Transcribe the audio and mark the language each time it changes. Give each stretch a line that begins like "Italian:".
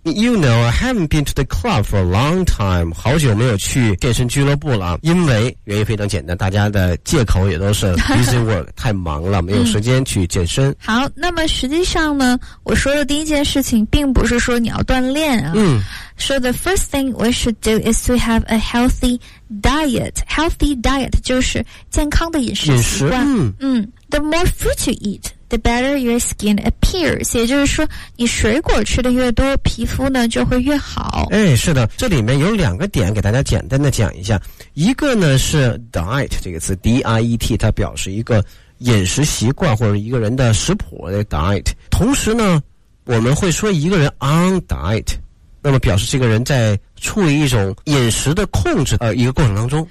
English: You know, I haven't been to the club for a long time.
Chinese: 好久没有去健身俱乐部了。因为原因非常简单，大家的借口也都是
English: busy work,
Chinese: 太忙了，没有时间去健身。好，那么实际上呢，我说的第一件事情并不是说你要锻炼啊。
English: So the first thing we should do is to have a healthy diet. Healthy diet
Chinese: 就是健康的饮食习惯。
English: The more fruit you eat, the better your skin appears.
Chinese: 也就是说你水果吃的越多，皮肤呢就会越好。哎，是的，这里面有两个点给大家简单的讲一下。一个呢是 diet 这个词 D-I-E-T， 它表示一个饮食习惯或者一个人的食谱的 diet。同时呢我们会说一个人
English: on diet，
Chinese: 那么表示这个人在处于一种饮食的控制一个过程当中。